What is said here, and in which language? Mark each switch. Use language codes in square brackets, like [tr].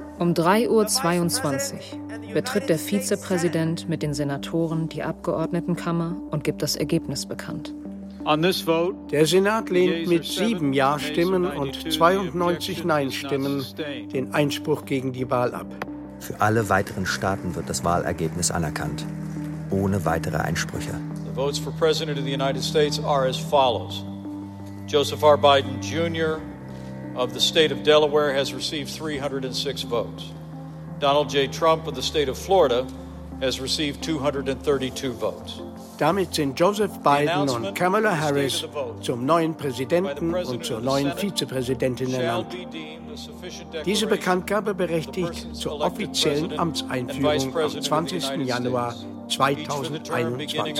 [de] um 3.22 Uhr betritt der Vizepräsident mit den Senatoren die Abgeordnetenkammer und gibt das Ergebnis bekannt. Der Senat lehnt mit 7 Ja-Stimmen und 92 Nein-Stimmen den Einspruch gegen die Wahl ab. Für alle weiteren Staaten wird das Wahlergebnis anerkannt, ohne weitere Einsprüche. [en] The votes for President of the United States are as follows. Joseph R. Biden Jr. of the state of Delaware has received 306 votes. Donald J. Trump of the state of Florida has received 232 votes. [de] Damit sind Joseph Biden und Kamala Harris zum neuen Präsidenten und zur neuen Vizepräsidentin ernannt. Diese Bekanntgabe berechtigt zur offiziellen Amtseinführung am 20. Januar 2021.